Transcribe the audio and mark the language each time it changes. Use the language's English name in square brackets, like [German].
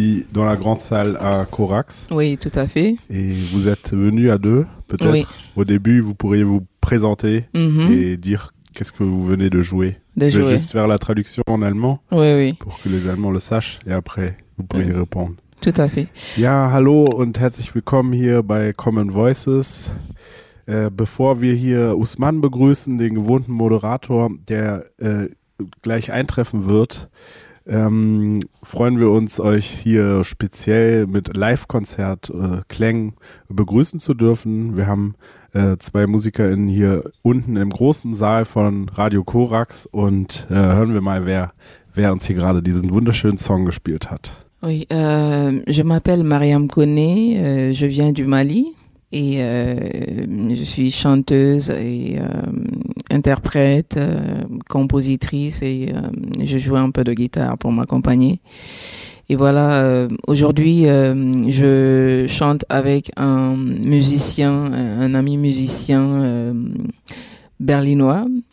[French] Ici dans la grande salle à Corax. Oui, tout à fait. Et vous êtes venus à deux, peut-être. Oui. Au début, vous pourriez vous présenter mm-hmm. et dire qu'est-ce que vous venez de jouer. De jouer. Je vais juste faire la traduction en allemand. Oui, oui. Pour que les Allemands le sachent et après, vous pourriez répondre. Tout à fait. [German] Ja, hallo und herzlich willkommen hier bei Common Voices. Bevor wir hier Ousmane begrüßen, den gewohnten Moderator, der gleich eintreffen wird, freuen wir uns, euch hier speziell mit Live-Konzert-Klängen begrüßen zu dürfen. Wir haben zwei MusikerInnen hier unten im großen Saal von Radio Corax und hören wir mal, wer uns hier gerade diesen wunderschönen Song gespielt hat. [French] Oui, je m'appelle Mariam Kone, je viens du Mali. Et je suis chanteuse et interprète, compositrice et je joue un peu de guitare pour m'accompagner. Et voilà, aujourd'hui je chante avec un musicien, un ami musicien berlinois.